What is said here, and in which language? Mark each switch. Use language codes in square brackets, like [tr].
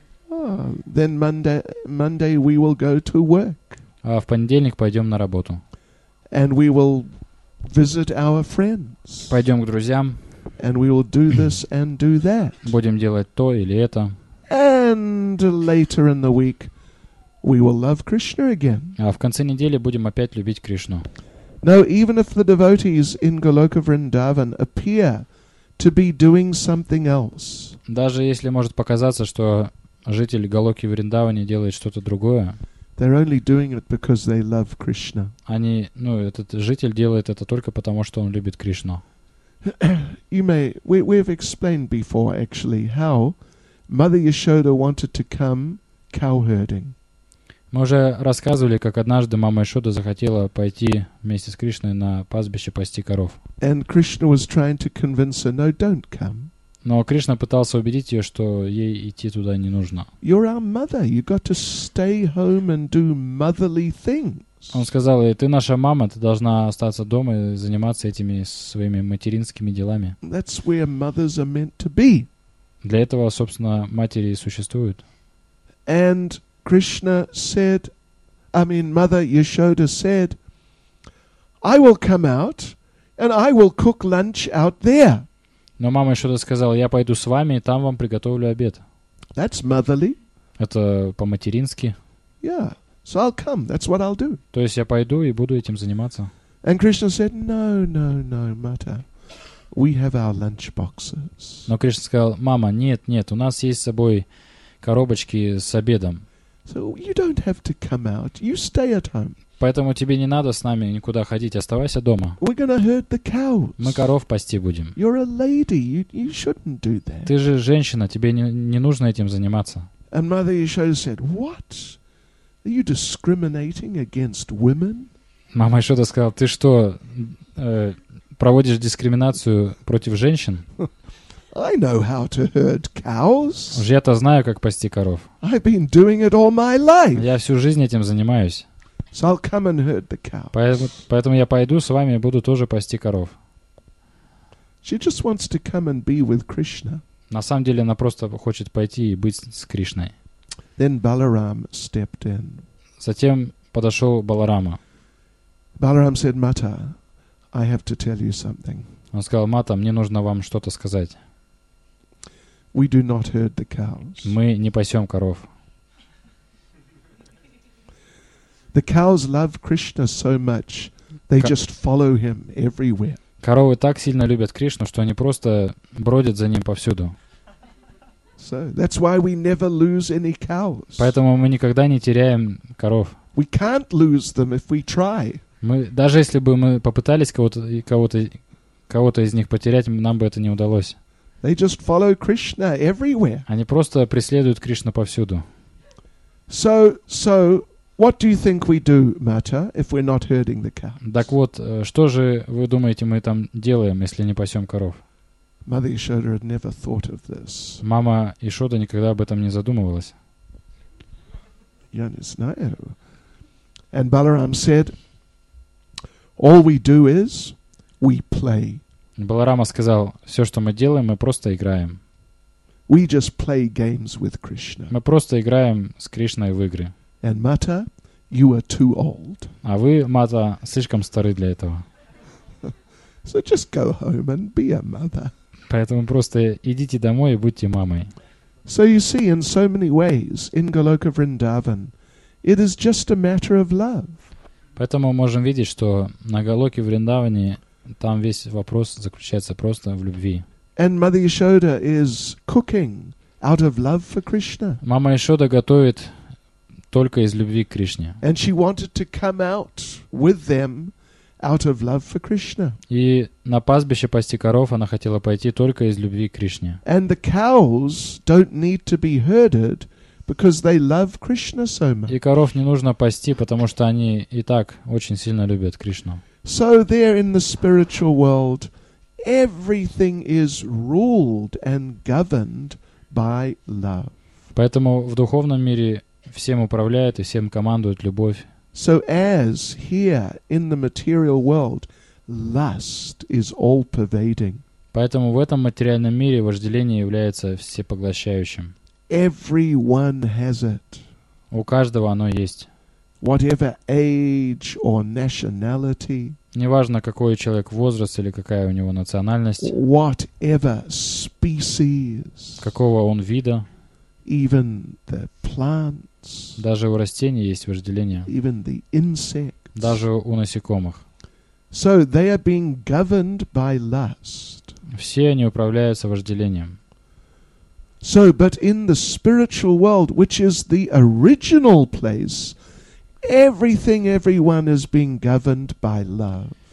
[en] Then Monday we will go to work. [ru] А в понедельник пойдем на работу. [en] And we will visit our friends. [ru] Пойдем к друзьям. [en] And we will do this and do that. [ru] Будем делать то или это. [en] And later in the week we will love Krishna again. [ru] А в конце недели будем опять любить Кришну. [en] No, even if the devotees in Goloka Vrindavan appear to be doing something else. [ru] Даже если может показаться, что житель Голоки Вриндавана делает что-то другое. [en] They're only doing it because they love Krishna. [ru] Они, ну, этот житель делает это только потому, что он любит Кришну. [en] You may, we've explained before actually how Mother Yashoda wanted to come cowherding. [ru] Мы уже рассказывали, как однажды мама Яшода захотела пойти вместе с Кришной на пастбище пасти коров. [en] And Krishna was trying to convince her, no, don't come. [ru] Но Кришна пытался убедить ее, что ей идти туда не нужно. [en] You're our mother. You got to stay home and do motherly things. [ru] Он сказал ей, ты наша мама, ты должна остаться дома и заниматься этими своими материнскими делами. [en] That's where mothers are meant to be. [ru] Для этого, собственно, матери и существуют. [en] And Krishna said, I mean, Mother Yashoda said, I will come out and I will cook lunch out there. [ru] Но мама Яшода сказала, я пойду с вами и там вам приготовлю обед. [en] That's motherly. [ru] Это по-матерински. [en] Yeah, so I'll come. That's what I'll do. [ru] То есть я пойду и буду этим заниматься. [en] And Krishna said, no, Mata. We have our lunch boxes. [ru] Но Кришна сказал, мама, нет, у нас есть с собой коробочки с обедом. [en] So you don't have to come out. You stay at home. [ru] Поэтому тебе не надо с нами никуда ходить, оставайся дома. [en] We're gonna herd the cows. [ru] Мы коров пасти будем. [en] You're a lady. You shouldn't do that. [ru] Ты же женщина, тебе не нужно этим заниматься. [en] And Mother Yashoda said, "What? Are you discriminating against women?" [ru] Мама Яшода сказала, ты что, проводишь дискриминацию против женщин? [en] I know how to herd cows. [ru] Уж я-то знаю, как пасти коров. [en] I've been doing it all my life. [ru] Я всю жизнь этим занимаюсь. [en] So I'll come and herd the cows. [ru] Поэтому я пойду с вами и буду тоже пасти коров. [en] She just wants to come and be with Krishna. [ru] На самом деле она просто хочет пойти и быть с Кришной. [en] Then Balaram stepped in. [ru] Затем подошел Баларама. [en] Balaram said, Mata, I have to tell you something. [ru] Он сказал, Мата, мне нужно вам что-то сказать. [en] We do not herd the cows. [ru] Мы не пасем коров. [en] The cows love Krishna so much, they just follow him everywhere. [ru] Коровы так сильно любят Кришну, что они просто бродят за ним повсюду. [en] So that's why we never lose any cows. [ru] Поэтому мы никогда не теряем коров. [en] We can't lose them if we try. [ru] Мы, даже если бы мы попытались кого-то из них потерять, нам бы это не удалось. [en] They just follow Krishna everywhere. [ru] Они просто преследуют Кришну повсюду. [en] So, what do you think we do, Mata, if we're not herding the cows? [ru] Так вот, что же вы думаете, мы там делаем, если не пасем коров? [en] Mother Yashoda had never thought of this. [ru] Мама Яшода никогда об этом не задумывалась. Я не знаю. [en] And Balaram said, all we do is we play. [ru] Баларама сказал, все, что мы делаем, мы просто играем. [en] We just play games with Krishna. [ru] Мы просто играем с Кришной в игры. [en] And Mata, you are too old. [ru] А вы, Мата, слишком стары для этого. [en] So just go home and be a mother. [ru] Поэтому просто идите домой и будьте мамой. [en] So you see, in so many ways, in Goloka Vrindavan, it is just a matter of love. [ru] Поэтому мы можем видеть, что на Голоке Вриндаване там весь вопрос заключается просто в любви. [en] And Mother Yashoda is cooking out of love for Krishna. [ru] Мама Яшода готовит только из любви к Кришне. [en] And she wanted to come out with them out of love for Krishna. [ru] И на пастбище пасти коров она хотела пойти только из любви к Кришне. [en] And the cows don't need to be herded because they love Krishna so much. [ru] И коров не нужно пасти, потому что они и так очень сильно любят Кришну. [en] So there in the spiritual world, everything is ruled and governed by love. [ru] Поэтому в духовном мире всем управляет и всем командует любовь. [en] So as here in the material world, lust is all pervading. [ru] Поэтому в этом материальном мире вожделение является всепоглощающим. [en] Everyone has it. [ru] У каждого оно есть. [en] Whatever age or nationality. [ru] Неважно, какой человек возраст или какая у него национальность. [en] Whatever species. [ru] Какого он вида. [en] Even the plants. [ru] Даже у растений есть вожделение. [en] Even the insects. [ru] Даже у насекомых. [en] So they are being governed by lust. [ru] Все они управляются вожделением. [en] So, but in the spiritual world, which is the original place, everything, everyone is being governed by love.